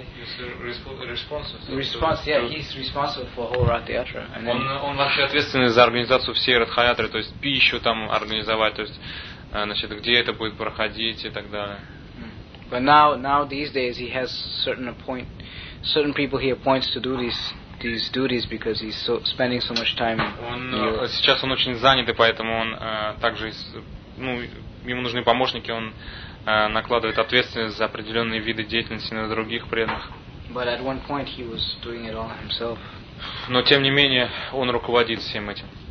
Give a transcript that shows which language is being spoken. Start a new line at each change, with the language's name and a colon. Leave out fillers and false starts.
English: He's responsible for the whole Rath Theatre. But now these days he has certain people he appoints to do these duties because he's so spending so much time.
Russian: Сейчас он очень занят, и поэтому он также ну ему нужны помощники, он накладывает ответственность за определенные виды деятельности на других преданных.
English: But at one point he was doing it all himself.
Russian: Но тем не менее он руководит всем этим.